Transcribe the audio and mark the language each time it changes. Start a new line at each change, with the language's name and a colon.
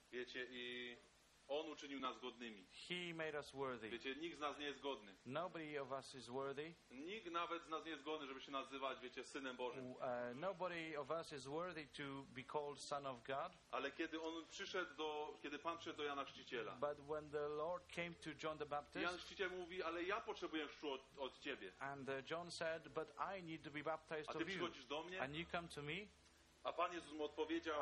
Polish: Wiecie, i On uczynił nas godnymi.
English: He made us worthy.
Polish: Wiecie, nikt z nas nie jest godny.
English: Nobody of us is worthy.
Polish: Nikt nawet z nas nie jest godny, żeby się nazywać, wiecie, Synem Bożym.
English: Nobody of us is worthy to be called Son of God.
Polish: Ale kiedy On przyszedł do, kiedy Pan przyszedł do Jana Chrzciciela.
English: But when the Lord came to John the Baptist.
Polish: Jan Chrzciciel mówi, ale ja potrzebuję chrztu od Ciebie.
English: And John said, but I need to be baptized of you.
Polish: A Ty przychodzisz do mnie?
English: And you come to me?
Polish: A Pan Jezus mu odpowiedział,